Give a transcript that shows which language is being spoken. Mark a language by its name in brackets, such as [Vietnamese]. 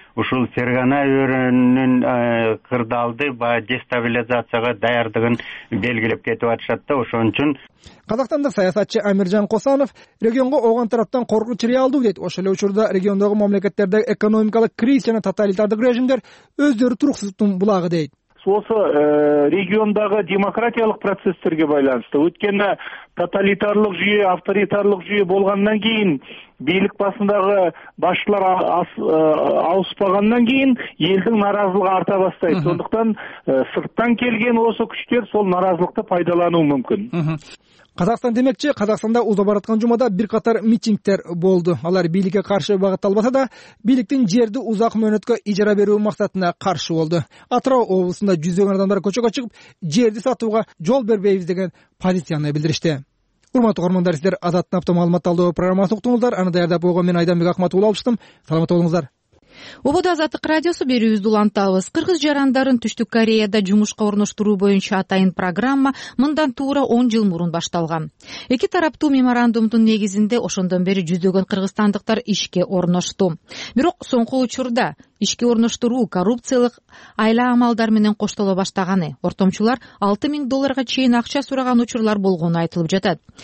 [Kyrgyz] Ушул Фергана өрөөнүн кырдаалды баягы дестабилизацияга даярдыгын белгилеп кетип атышат да. Ошон үчүн казакстандык саясатчы Амиржан Косанов регионго ооган тараптан коркунуч реалдуу дейт. Ошол эле учурда региондогу мамлекеттерде экономикалык кризис жана тоталитардык режимдер өздөрү туруксуздуктун булагы дейт. [Kazakh] осы региондағы демократиялық процестерге байланысты. Өткені тоталитарлық жүйе, авторитарлық жүйе болғаннан кейін, билік басындағы басшылар ауыспағаннан кейін елдің наразылығы арта бастайды. Сондықтан сырттан келген осы күштер сол наразылықты пайдалануы мүмкін. Қазақстан демекче, Қазақстанда ұзап баратқан жұмада бірқатар митингтер болды. Алар билікке қарсы бағытталбаса да, биліктің жерді ұзақ мөнетке ижара беруі мақсатына қарсы болды. Атырау облысында жүздеген адамдар көшеге шығып, жерді сатуға жол бербейміз деген позицияны білдірді. Құрметті көрермендер, сіздер Азаттың апта мәлімет алу бағдарламасын ұқтыңыздар. Аны даярдап болған мен Айданбек Ахматұлы алыптым. Саламат болыңыздар. [Kyrgyz] Обода Азаттык радиосу берүүбүздү улантабыз. Кыргыз жарандарын Түштүк Кореяда жумушка орноштуруу боюнча атайын программа мындан туура 10 жыл мурун башталган. Эки тараптуу меморандумдун негизинде ошондон бери жүздөгөн кыргызстандыктар ишке орношту. Бирок соңку учурда ишке орноштуруу коррупциялык айла амалдар менен коштоло баштаганы, ортомчулар 6000 долларга чейин акча сураган учурлар болгону айтылып жатат.